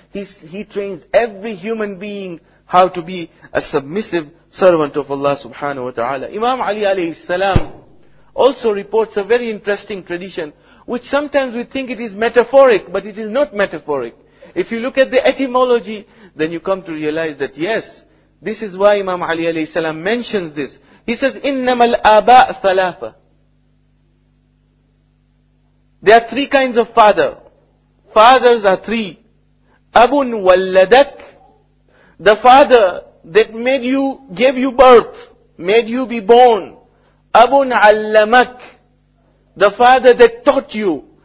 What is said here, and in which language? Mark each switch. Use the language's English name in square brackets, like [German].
[English] He trains every human being how to be a submissive servant of Allah subhanahu wa ta'ala. Imam Ali alayhi salam also reports a very interesting tradition, which sometimes we think it is metaphoric, but it is not metaphoric. If you look at the etymology, then you come to realize that yes, this is why Imam Ali alayhi salam mentions this. He says, [Arabic] إِنَّمَا الْآبَاءَ ثَلَافَ. [English] There are three kinds of father. Fathers are three. [Arabic] أَبٌ وَلَّدَكْ. [English] The father that made you, gave you birth, made you be born. [Arabic] Abun allamak, [English] the father that taught you.